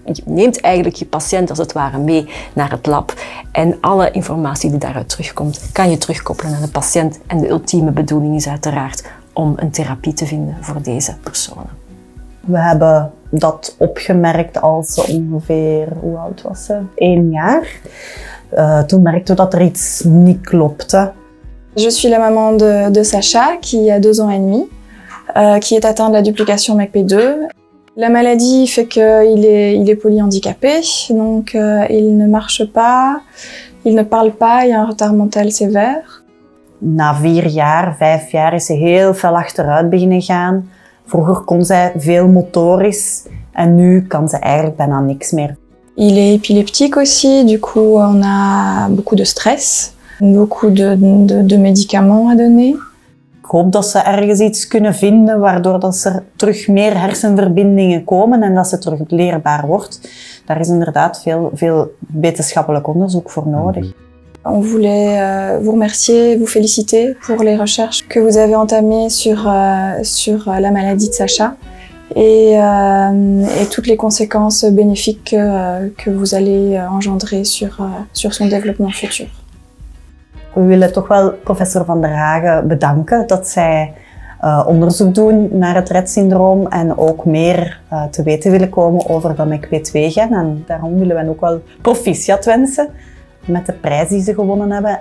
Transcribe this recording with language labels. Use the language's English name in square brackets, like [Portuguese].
[Dutch] Je neemt eigenlijk je patiënt als het ware mee naar het lab en alle informatie die daaruit terugkomt, kan je terugkoppelen aan de patiënt. En de ultieme bedoeling is uiteraard om een therapie te vinden voor deze personen. We hebben dat opgemerkt als ze ongeveer, hoe oud was ze? 1 jaar. Toen merkten we dat er iets niet klopte. [French] Je suis la maman de Sacha, qui a 2 ans et demi, qui est atteinte de la duplication MECP2. La maladie fait qu'il est polyhandicapé, donc il ne marche pas, il ne parle pas, il a un retard mental sévère. [Dutch] Na 4 jaar, 5 jaar is ze heel veel achteruit beginnen gaan. Vroeger kon zij veel motorisch en nu kan ze eigenlijk bijna niks meer. [French] Il est épileptique aussi, du coup on a beaucoup de stress, beaucoup de médicaments à donner. [Dutch] Ik hoop dat ze ergens iets kunnen vinden waardoor dat er terug meer hersenverbindingen komen en dat ze terug leerbaar wordt. Daar is inderdaad veel wetenschappelijk onderzoek voor nodig. [French] On voulait vous remercier, vous féliciter pour les recherches que vous avez entamées sur la maladie de Sacha et toutes les conséquences bénéfiques que vous allez engendrer sur son développement futur. [Dutch] We willen toch wel professor Van der Hagen bedanken dat zij onderzoek doen naar het Rett-syndroom en ook meer te weten willen komen over de MECP2-gen. En daarom willen we ook wel proficiat wensen met de prijs die ze gewonnen hebben.